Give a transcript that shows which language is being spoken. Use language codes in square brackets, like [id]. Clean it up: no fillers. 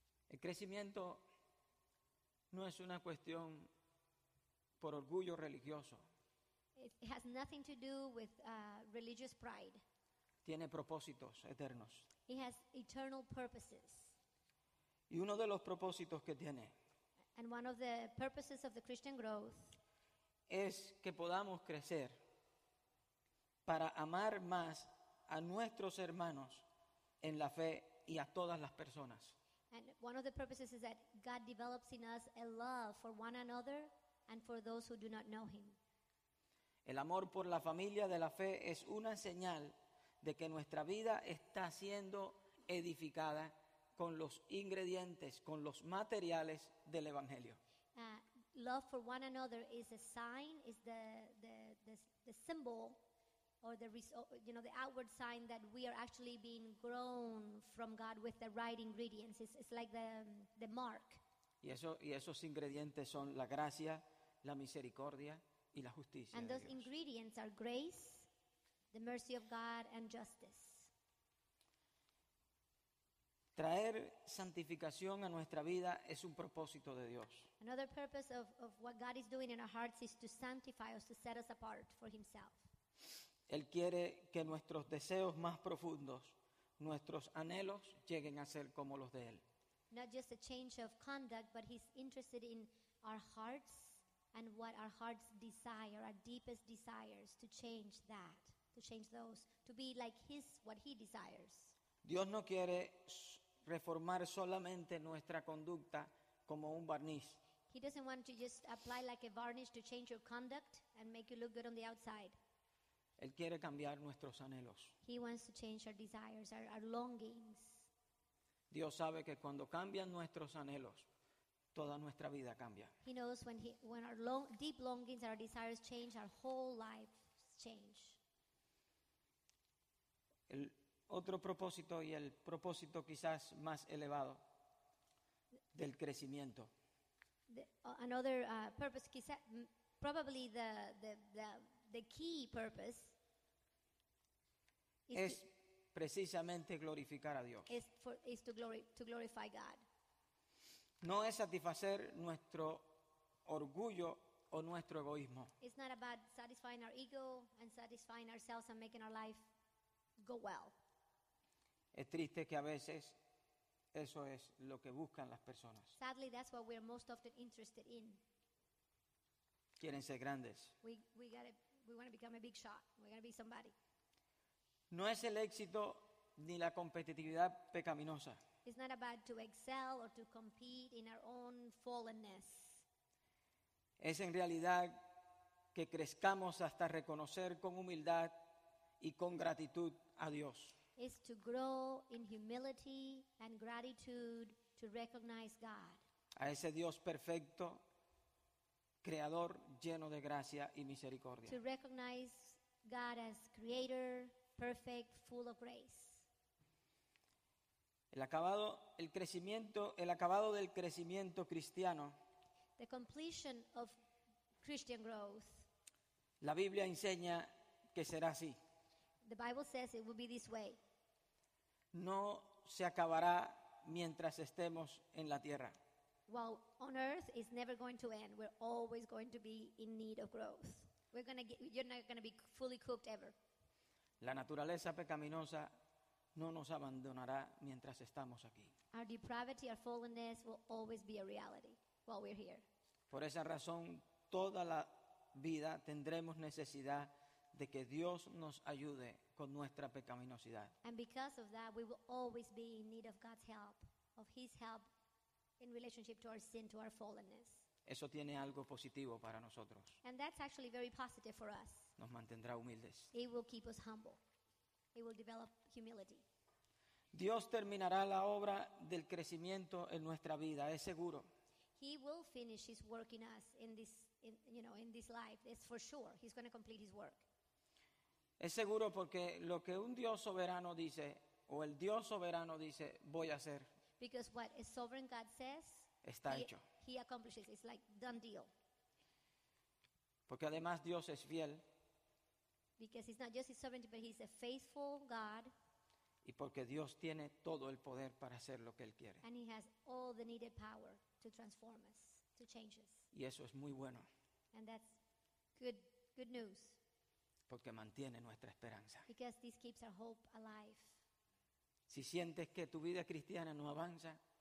[es] El crecimiento no es una cuestión por orgullo religioso. [en] It has nothing to do with religious pride. [es] Tiene propósitos eternos. [en] It has eternal purposes. [es] Y uno de los propósitos que tiene, [en] and one of the purposes of the Christian growth, [es] es que podamos crecer para amar más a nuestros hermanos en la fe y a todas las personas. [en] And one of the purposes is that God develops in us a love for one another and for those who do not know him. [es] El amor por la familia de la fe es una señal de que nuestra vida está siendo edificada con los ingredientes, con los materiales del evangelio. [en] Love for one another is a sign, is the symbol, or the outward sign that we are actually being grown from God with the right ingredients. It's like the mark. [es] Y esos ingredientes son la gracia, la misericordia y la justicia. [en] And those [es] Dios. [en] Ingredients are grace, the mercy of God, and justice. [es] Traer santificación a nuestra vida es un propósito de Dios. [en] Another purpose of what God is doing in our hearts is to sanctify us, to set us apart for himself. [es] Él quiere que nuestros deseos más profundos, nuestros anhelos, lleguen a ser como los de Él. [en] Not just a change of conduct, but he's interested in our hearts and what our hearts desire, our deepest desires, to change that, to change those, to be like his, what he desires. [es] Dios no quiere reformar solamente nuestra conducta como un barniz. [en] He doesn't want to just apply like a varnish to change your conduct and make you look good on the outside. [es] Él quiere cambiar nuestros anhelos. [en] He wants to change our desires, our longings. [es] Dios sabe que cuando cambian nuestros anhelos, toda nuestra vida cambia. [en] He knows when our deep longings and our desires change, our whole life change. [es] El otro propósito, y el propósito quizás más elevado del crecimiento. [en] Another purpose, [es] quizás, [en] probably the key purpose [es] es precisamente glorificar a Dios. [en] Is to glorify God. [es] No es satisfacer nuestro orgullo o nuestro egoísmo. [en] It's not about satisfying our ego and satisfying ourselves and making our life go well. [es] Es triste que a veces eso es lo que buscan las personas. [en] Sadly, that's what we're most often interested in. [es] Quieren ser grandes. [en] We want to become a big shot. We're going to be somebody. [es] No es el éxito ni la competitividad pecaminosa. [en] It's not about to excel or to compete in our own fallenness. [es] Es en realidad que crezcamos hasta reconocer con humildad y con gratitud a Dios. [en] Is to grow in humility and gratitude to recognize God. [es] A ese Dios perfecto Creador lleno de gracia y misericordia. [en] To recognize God as creator, perfect, full of grace. [es] El acabado del crecimiento cristiano. [en] The completion of Christian growth. [es] La Biblia enseña que será así. [en] The Bible says it will be this way. [es] No se acabará mientras estemos en la tierra. [en] Well, on earth is never going to end. We're always going to be in need of growth. You're not going to be fully cooked ever. [es] La naturaleza pecaminosa no nos abandonará mientras estamos aquí. [en] Our depravity, our fallenness will always be a reality while we're here. [es] Por esa razón, toda la vida tendremos necesidad de que Dios nos ayude con nuestra pecaminosidad. [en] And because of that, we will always be in need of God's help, of His help in relationship to our sin, to our fallenness. [es] Eso tiene algo positivo para nosotros. [en] And that's actually very positive for us. [es] Nos mantendrá humildes. [en] It will keep us humble. It will develop humility. [es] Dios terminará la obra del crecimiento en nuestra vida, es seguro. [en] He will finish His work in us in this life. It's for sure. He's going to complete His work. [es] Es seguro porque lo que un Dios soberano dice, o el Dios soberano dice, voy a hacer. [en] Because what a sovereign God says, [es] está hecho. [en] He accomplishes. It's like done deal. [es] Porque además Dios es fiel. [en] Because He's not just His sovereignty, but He's a faithful God. [es] Y porque Dios tiene todo el poder para hacer lo que Él quiere. [en] And He has all the needed power to transform us, to change us. [es] Y eso es muy bueno. [en] And that's good news. [es] Porque mantiene nuestra esperanza. [en] Because this keeps our hope alive. [es] Si sientes que tu vida cristiana no avanza,